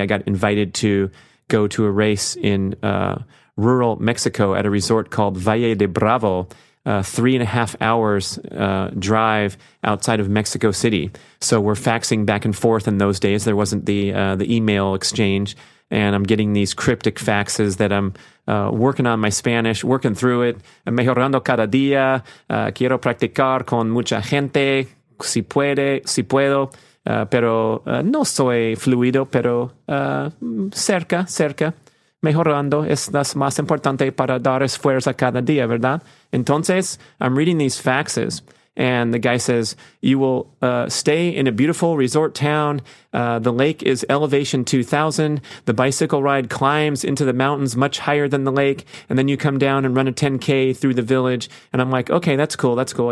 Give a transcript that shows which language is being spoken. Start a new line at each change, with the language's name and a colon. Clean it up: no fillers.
English: I got invited to go to a race in rural Mexico at a resort called Valle de Bravo, 3.5 hours drive outside of Mexico City. So we're faxing back and forth in those days. There wasn't the email exchange. And I'm getting these cryptic faxes that I'm working on my Spanish, working through it.
Spanish: Mejorando cada día. Quiero practicar con mucha gente. Si puede, si puedo. Pero no soy fluido, pero cerca. Mejorando es las más importante para dar esfuerzo cada día, ¿verdad? Entonces,
English: I'm reading these faxes. And the guy says, you will stay in a beautiful resort town. The lake is elevation 2,000. The bicycle ride climbs into the mountains much higher than the lake. And then you come down and run a 10K through the village. And I'm like, okay, that's cool. That's cool.